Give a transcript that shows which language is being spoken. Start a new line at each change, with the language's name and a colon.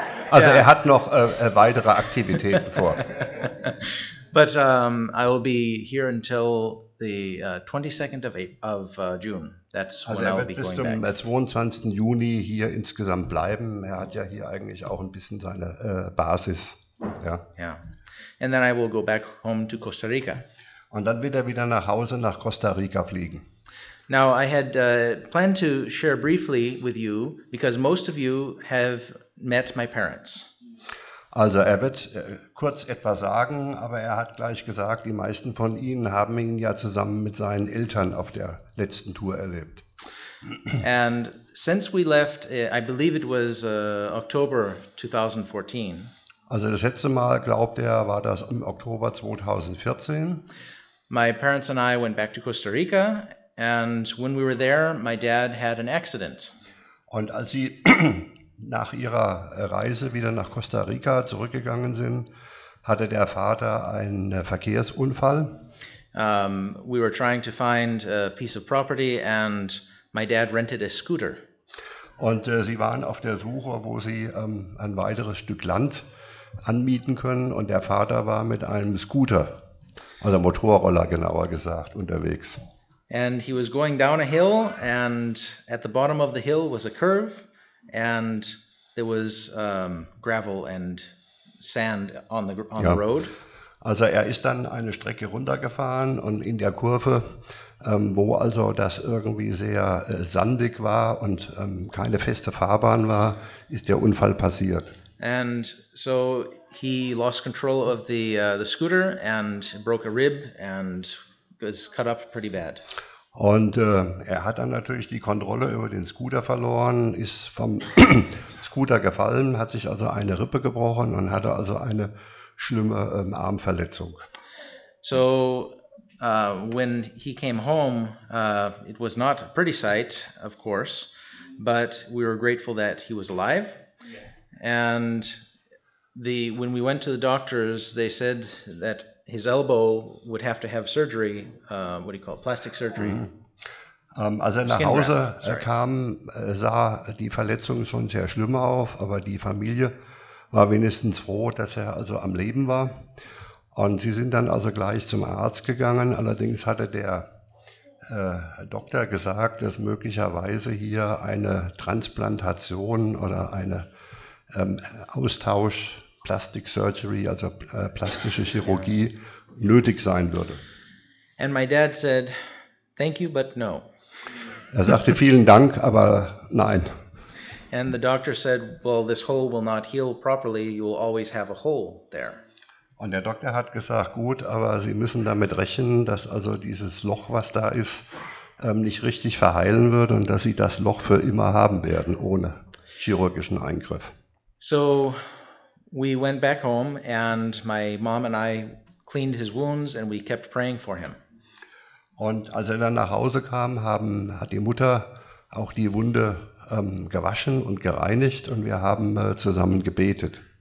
German: Also yeah. Er hat noch weitere Aktivitäten vor.
English: But I will be here until the 22nd of June. That's also when I will be going back.
German: Also er wird bis zum 22. Juni hier insgesamt bleiben. Er hat ja hier eigentlich auch ein bisschen seine Basis. Ja.
English: Yeah. And then I will go back home to Costa Rica.
German: Und dann wird er wieder nach Hause nach Costa Rica fliegen.
English: Now I had planned to share briefly with you because most of you have met my parents.
German: Also er wird kurz etwas sagen, aber er hat gleich gesagt, die meisten von Ihnen haben ihn ja zusammen mit seinen Eltern auf der letzten Tour erlebt.
English: And since we left, I believe it was October 2014.
German: Also das letzte Mal, glaubt er, war das im Oktober 2014.
English: My parents and I went back to Costa Rica. And when we were there, my dad had an accident.
German: Und als sie nach ihrer Reise wieder nach Costa Rica zurückgegangen sind, hatte der Vater einen Verkehrsunfall.
English: We were trying to find a piece of property and my dad rented a scooter.
German: Und sie waren auf der Suche, wo sie ein weiteres Stück Land anmieten können und der Vater war mit einem Scooter, also Motorroller genauer gesagt, unterwegs.
English: And he was going down a hill and at the bottom of the hill was a curve and there was gravel and sand on the road.
German: Also er ist dann eine Strecke runtergefahren und in der Kurve, wo also das irgendwie sehr sandig war und keine feste Fahrbahn war, ist der Unfall passiert.
English: And so he lost control of the scooter and broke a rib and was cut up pretty bad.
German: Und er hat dann natürlich die Kontrolle über den Scooter verloren, ist vom Scooter gefallen, hat sich also eine Rippe gebrochen und hatte also eine schlimme Armverletzung.
English: So when he came home, it was not a pretty sight, of course, but we were grateful that he was alive. And when we went to the doctors, they said that his elbow would have to have surgery, what do you call it, plastic surgery. Mm-hmm.
German: Als er nach Hause kam, sah die Verletzung schon sehr schlimm auf, aber die Familie war wenigstens froh, dass er also am Leben war. Und sie sind dann also gleich zum Arzt gegangen. Allerdings hatte der Doktor gesagt, dass möglicherweise hier eine Transplantation oder eine Austausch, Plastic Surgery, also plastische Chirurgie, nötig sein würde.
English: And my dad said, thank you, but no.
German: Er sagte, vielen Dank, aber nein.
English: And the doctor said, well, this hole will not heal properly, you will always have a hole there.
German: Und der Doktor hat gesagt, gut, aber Sie müssen damit rechnen, dass also dieses Loch, was da ist, nicht richtig verheilen wird und dass Sie das Loch für immer haben werden, ohne chirurgischen Eingriff.
English: So we went back home and my mom and I cleaned his wounds and we kept praying for him.
German: Und als er dann nach Hause kam, hat die Mutter auch die Wunde gewaschen und gereinigt und wir haben zusammen gebetet.